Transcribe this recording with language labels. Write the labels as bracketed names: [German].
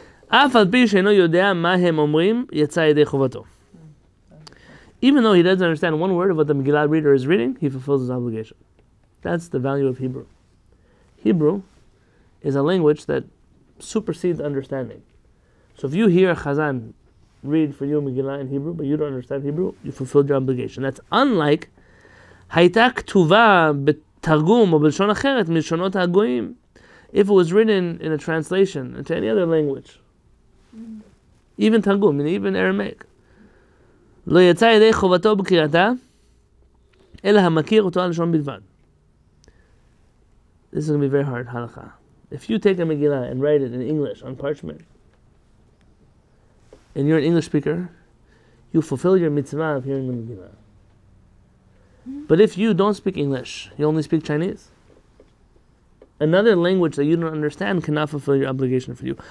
[English] Even though he doesn't understand one word of what the Megillah reader is reading, he fulfills his obligation. That's the value of Hebrew. Hebrew is a language that supersedes understanding. So if you hear a Chazan read for you Megillah in Hebrew, but you don't understand Hebrew, you fulfilled your obligation. That's unlike [Hebrew] הייתה כתובה בתרגום או בלשון אחרת מלשונות הגויים. [English] If it was written in a translation into any other language, even תרגום, even Aramaic, [Hebrew] לא יצא ידי חובתו בקריאתה, אלא המכיר אותו הלשון בלבד. [English] This is going to be very hard, הלכה. If you take a Megillah and write it in English on parchment, and you're an English speaker, you fulfill your mitzvah of hearing the Megillah. But if you don't speak English, you only speak Chinese, another language that you don't understand cannot fulfill your obligation for you.